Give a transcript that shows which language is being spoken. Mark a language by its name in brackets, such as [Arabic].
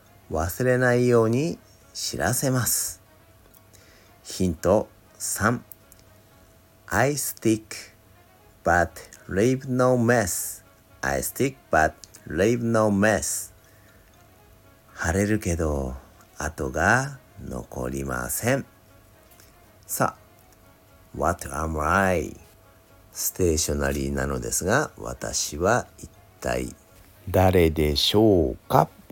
[Japanese] 忘れないように知らせます。ヒント3。 [English] I stick but leave no mess. [Japanese] 晴れるけど跡が残りません。 [English] さあ、 What am I? [Japanese] ステーショナリーなのですが、私は一体誰でしょうか。